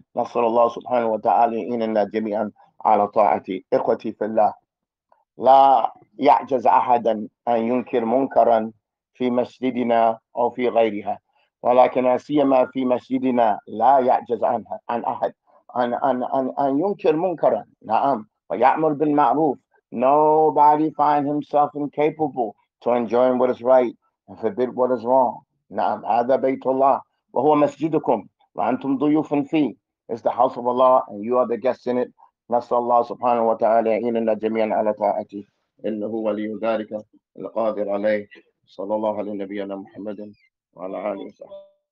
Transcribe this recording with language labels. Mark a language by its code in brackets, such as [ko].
[ar] نصر الله سبحانه وتعالى إننا جميعا على طاعة إخوتي في الله. لا يعجز أحدا أن ينكر منكرا في مسجدنا أو في غيرها، ولكن سيما في مسجدنا لا يعجز عنها عن أحد أن ينكر منكرا، نعم ويعمل بالمعروف. [en] Nobody find himself incapable to enjoy what is right and forbid what is wrong. [ar] نعم هذا بيت الله وهو مسجدكم وأنتم ضيوف فيه. [en] It's the house of Allah and you are the guests in it. [ar] نسأل الله سبحانه وتعالى يعيننا جميعا على طاعته، إنه ولي ذلك القادر عليه. صلى الله على نبينا محمد وعلى آله وصحبه.